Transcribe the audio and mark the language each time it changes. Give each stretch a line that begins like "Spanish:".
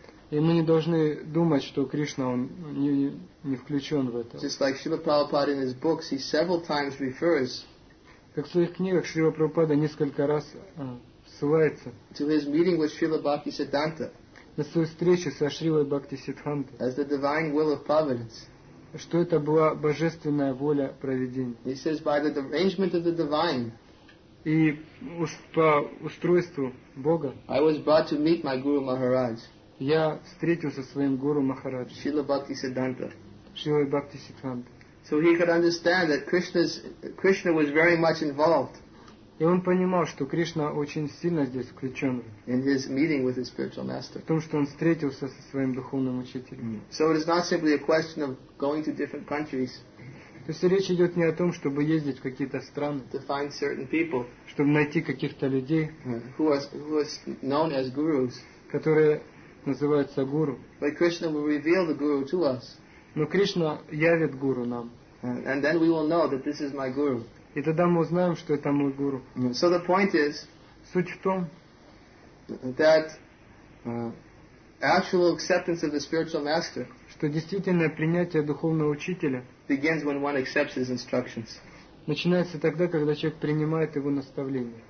Russian: И мы не должны думать, что Кришна он не включен в это.
English: Just like Srila Prabhupada in his books, he several times refers.
Russian: Как в своих книгах Шрила Прабхупада несколько раз ссылается.
English: To his meeting with Srila Bhaktisiddhanta.
Russian: На свою встречу со Шрилой Бхактисиддханта.
English: As the divine will of providence.
Russian: Что это была божественная воля провидения.
English: He says by the arrangement of the divine.
Russian: И по устройству Бога.
English: I was brought to meet my Guru Maharaj.
Russian: Я встретился со своим Гуру Махараджем. Шрила Бхактисиддханта. Шрила Бхактисиддханта.
English: So he could understand that Krishna was very much involved.
Russian: И он понимал, что Кришна очень сильно здесь включен.
English: In his meeting with his spiritual master.
Russian: В том, что он встретился со своим духовным учителем. Mm.
English: So it is not simply a question of going to different countries.
Russian: То есть речь идет не о том, чтобы ездить в какие-то страны.
English: To find certain people.
Russian: Чтобы найти каких-то людей.
English: Who are known as gurus.
Russian: Которые называются гуру.
English: But Krishna will reveal the guru to us.
Russian: Но Кришна явит гуру нам.
English: And then we will know that this is my guru.
Russian: И тогда мы узнаем, что это мой гуру.
English: So the point is,
Russian: суть в том,
English: that actual acceptance of the spiritual master,
Russian: что действительное принятие духовного учителя,
English: begins when one accepts his instructions.
Russian: Начинается тогда, когда человек принимает его наставление.